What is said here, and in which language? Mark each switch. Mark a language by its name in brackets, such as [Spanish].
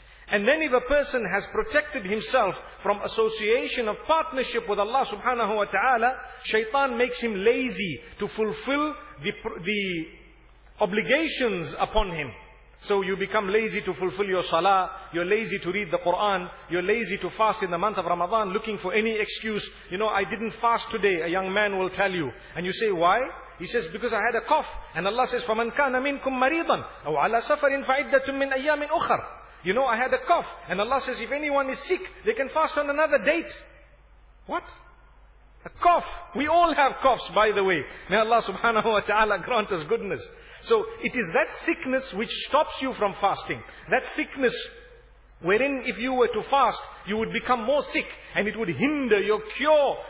[English] And then if a person has protected himself from association of partnership with Allah subhanahu wa ta'ala, shaitan makes him lazy to fulfill the obligations upon him. So you become lazy to fulfill your salah, you're lazy to read the Quran, you're lazy to fast in the month of Ramadan, looking for any excuse. You know, I didn't fast today, a young man will tell you. And you say, why? He says, because I had a cough. And Allah says, [Arabic] فَمَنْ كَانَ مِنْكُمْ مَرِيضًا أَوْ عَلَى سَفَرٍ فَعِدَّةٌ مِّنْ أَيَّامٍ أُخَرٍ. [English] You know, I had a cough. And Allah says, if anyone is sick, they can fast on another date. What? A cough. We all have coughs, by the way. May Allah subhanahu wa ta'ala grant us goodness. So it is that sickness which stops you from fasting. That sickness wherein if you were to fast, you would become more sick and it would hinder your cure.